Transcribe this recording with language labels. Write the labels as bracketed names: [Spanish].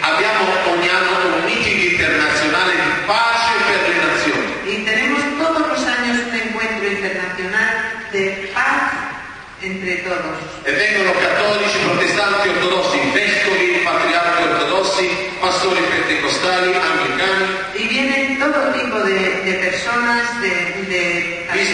[Italian] Abbiamo ogni anno un meeting internazionale di pace per le nazioni. [Spanish] Y tenemos todos los años un encuentro internacional de paz entre todos. [Italian] E vengono cattolici, protestanti, ortodossi, vescovi, patriarchi ortodossi, pastori pentecostali, anglicani. [Spanish] Y vienen todo tipo de personas, de